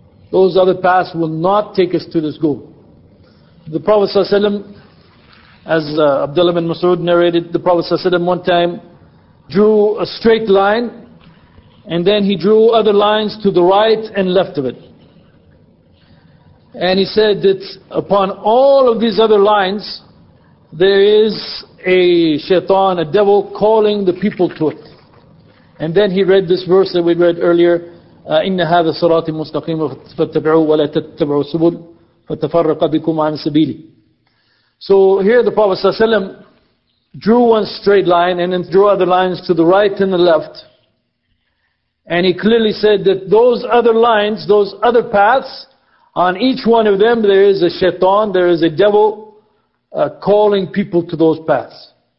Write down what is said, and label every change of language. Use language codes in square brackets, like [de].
[en] Those other paths will not take us to this goal. The Prophet ﷺ, as Abdullah bin Mas'ud narrated, the Prophet ﷺ one time drew a straight line, and then he drew other lines to the right and left of it. And he said that upon all of these other lines, there is a shaitan, a devil, calling the people to it. And then he read this verse that we read earlier, [ar] إن هذا صراطي مستقيم فاتبعوه ولا تتبعوا السبل فتفرق بكم عن سبيلي. [en] So here the Prophet صلى الله عليه وسلم drew one straight line and then drew other lines to the right and the left. And he clearly said that those other lines, those other paths, on each one of them there is a shaitan, there is a devil calling people to those paths.